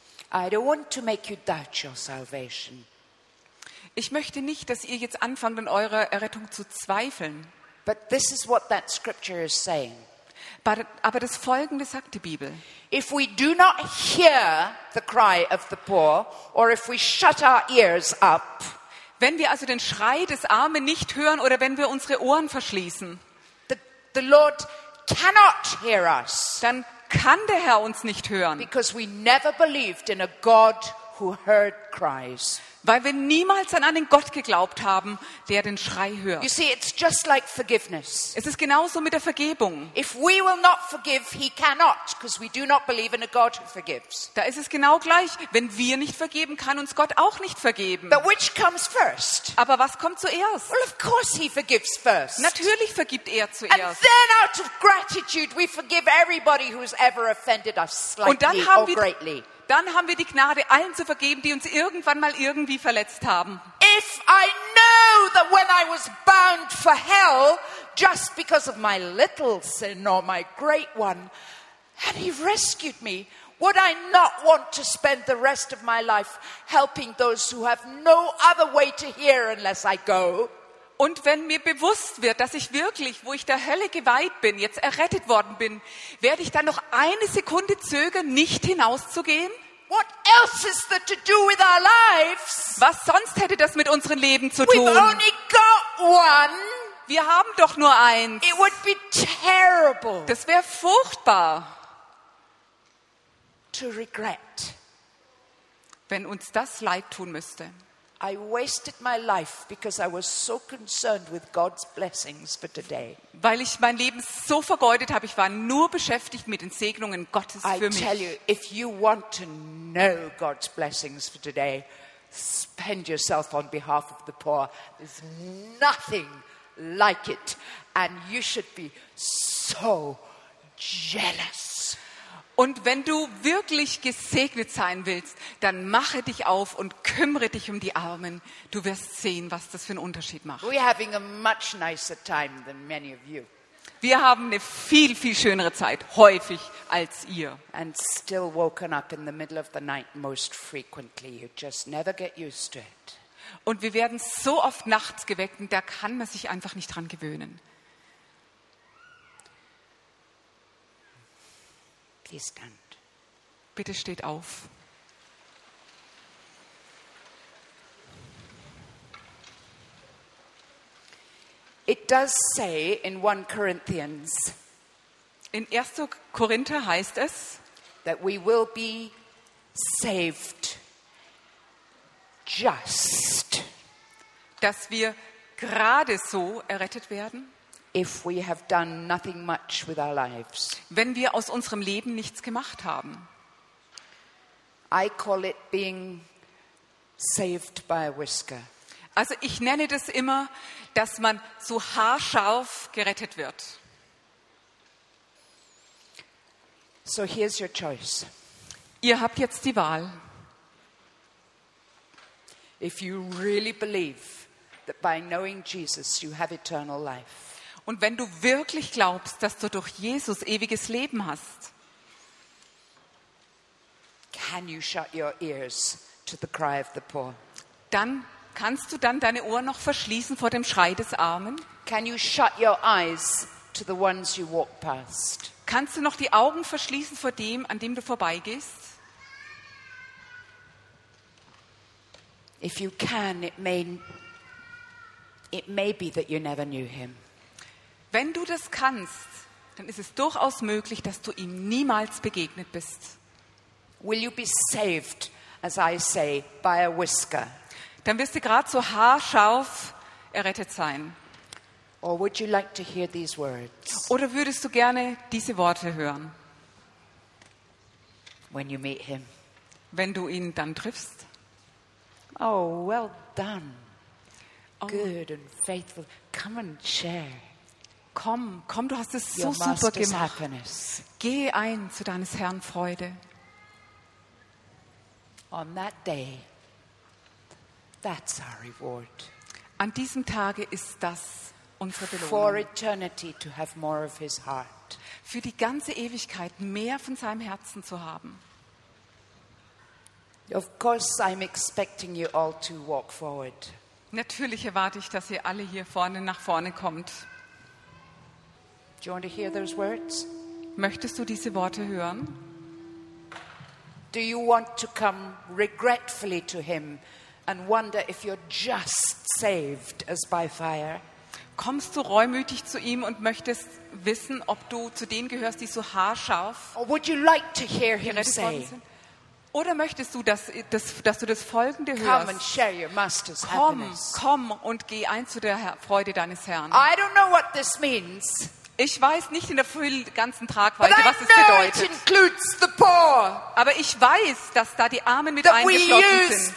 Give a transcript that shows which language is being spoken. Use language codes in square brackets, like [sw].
[en] I don't want to make you doubt your salvation. [de] Ich möchte nicht, dass ihr jetzt anfangt, an eurer Errettung zu zweifeln. [en] But this is what that scripture is saying. [de] Aber das Folgende sagt die Bibel. [en] If we do not hear the cry of the poor, or if we shut our ears up, [de] Wenn wir also den Schrei des Armen nicht hören oder wenn wir unsere Ohren verschließen, [en] the Lord cannot hear us. [de] Dann kann der Herr uns nicht hören. [en] Because we never believed in a God who heard cries. [de] Weil wir niemals an einen Gott geglaubt haben, der den Schrei hört. [en] You see, it's just like forgiveness. [de] Es ist genauso mit der Vergebung. [en] If we will not forgive, he cannot, because we do not believe in a God who forgives. [de] Da ist es genau gleich. Wenn wir nicht vergeben, kann uns Gott auch nicht vergeben. [en] But which comes first? [de] Aber was kommt zuerst? [en] Well, of course he forgives first. [de] Natürlich vergibt er zuerst. [en] And then out of gratitude, we forgive everybody who's ever offended us slightly or greatly. [de] Dann haben wir die Gnade, allen zu vergeben, die uns irgendwann mal irgendwie verletzt haben. [en] If I know that when I was bound for hell, just because of my little sin or my great one, had he rescued me, would I not want to spend the rest of my life helping those who have no other way to hear unless I go? [de] Und wenn mir bewusst wird, dass ich wirklich, wo ich der Hölle geweiht bin, jetzt errettet worden bin, werde ich dann noch eine Sekunde zögern, nicht hinauszugehen? [en] What else is there to do with our lives? [de] Was sonst hätte das mit unserem Leben zu tun? [en] We've only got one. [de] Wir haben doch nur eins. [en] It would be terrible. [de] Das wäre furchtbar. [en] To regret. [de] Wenn uns das leid tun müsste. [en] I wasted my life because I was so concerned with God's blessings for today. [de] Weil ich mein Leben so vergeudet habe, ich war nur beschäftigt mit den Segnungen Gottes für mich. [en] I tell you, if you want to know God's blessings for today, spend yourself on behalf of the poor. There's nothing like it, and you should be so jealous. [de] Und wenn du wirklich gesegnet sein willst, dann mache dich auf und kümmere dich um die Armen. Du wirst sehen, was das für einen Unterschied macht. [en] We're having a much nicer time than many of you. [de] Wir haben eine viel, viel schönere Zeit, häufig als ihr. [en] And still woken up in the middle of the night most frequently. You just never get used to it. [de] Und wir werden so oft nachts geweckt, und da kann man sich einfach nicht dran gewöhnen. [en] Please stand. [de] Bitte steht auf. [en] It does say in 1 Corinthians. [de] In 1. Korinther heißt es, [en] that we will be saved just. [de] Dass wir gerade so errettet werden. [en] If we have done nothing much with our lives. [de] Wenn wir aus unserem Leben nichts gemacht haben. [en] I call it being saved by a whisker. [de] Also ich nenne das immer, dass man so haarscharf gerettet wird. [en] So here's your choice. [de] Ihr habt jetzt die Wahl. [en] If you really believe that by knowing Jesus you have eternal life. [de] Und wenn du wirklich glaubst, dass du durch Jesus ewiges Leben hast, [en] can you shut your ears to the cry of the poor? [de] Dann kannst du dann deine Ohren noch verschließen vor dem Schrei des Armen? [en] Can you shut your eyes to the ones you walk past? [de] Kannst du noch die Augen verschließen vor dem, an dem du vorbeigehst? [en] If you can, it may be that you never knew him. [de] Wenn du das kannst, dann ist es durchaus möglich, dass du ihm niemals begegnet bist. [en] Will you be saved, as I say, by a whisker? [de] Dann wirst du gerade so haarscharf errettet sein. [en] Or would you like to hear these words? [de] Oder würdest du gerne diese Worte hören? [en] When you meet him. [de] Wenn du ihn dann triffst. [en] Oh, well done. Good and faithful. Come and share. [de] Komm, du hast es so super gemacht. Geh ein zu deines Herrn Freude. [en] On that day, that's our reward. [de] An diesem Tage ist das unsere Belohnung. [en] For eternity to have more of his heart. [de] Für die ganze Ewigkeit mehr von seinem Herzen zu haben. [en] Of course, I'm expecting you all to walk forward. [de] Natürlich erwarte ich, dass ihr alle hier vorne nach vorne kommt. [en] Do you want to hear those words? [de] Möchtest du diese Worte hören? [en] Do you want to come regretfully to him and wonder if you're just saved as by fire? [de] Kommst du reumütig zu ihm und möchtest wissen, ob du zu denen gehörst, die so haarscharf? [en] Or would you like to hear him say? [de] Oder möchtest du, dass du das Folgende hörst? [en] Come and share your master's happiness. [de] Komm und geh ein zu der Freude deines Herrn. [en] I don't know what this means. [de] Ich weiß nicht in der ganzen Tragweite, was es bedeutet. [en] It includes the poor. [de] Aber ich weiß, dass da die Armen mit eingeschlossen sind.